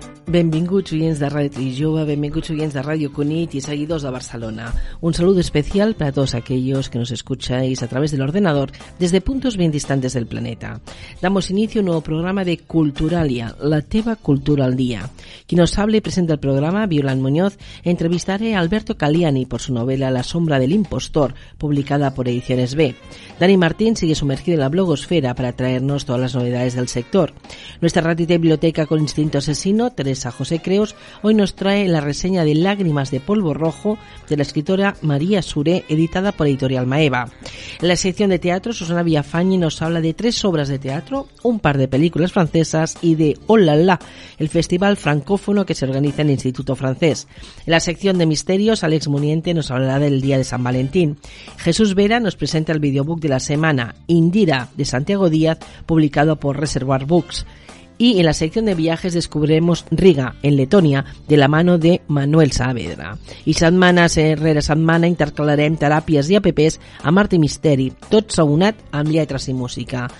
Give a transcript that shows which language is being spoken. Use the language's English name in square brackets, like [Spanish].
[Catalan] Benvinguts, oients de ràdio i jove, benvinguts, oients de ràdio Cunit i seguidors de Barcelona. [Spanish] Un saludo especial para todos aquellos que nos escucháis a través del ordenador desde puntos bien distantes del planeta. Damos inicio a un nuevo programa de Culturalia, la teva cultura al día. Quien os hable y presenta el programa, Violant Muñoz, entrevistaré a Alberto Caliani por su novela La sombra del impostor, publicada por Ediciones B. Dani Martín sigue sumergido en la blogosfera para traernos todas las novedades del sector. Nuestra radio de biblioteca con instinto asesino, Teresa José Creus, hoy nos trae la reseña de Lágrimas de polvo rojo de la escritora María Suré, editada por Editorial Maeva. En la sección de teatro, Susana Villafañi nos habla de tres obras de teatro, un par de películas francesas y de Oh la la, el festival francófono que se organiza en el Instituto Francés. En la sección de misterios, Alex Muniente nos hablará del Día de San Valentín. Jesús Vera nos presenta el videobook de la semana, Indira, de Santiago Díaz, publicado por Reservoir Books. Y en la sección de viajes descubriremos Riga, en Letonia, de la mano de Manuel Saavedra. [Catalan] I setmana rere setmana intercalarem teràpies i apps amb art i misteri, tot saunat amb lletres i música.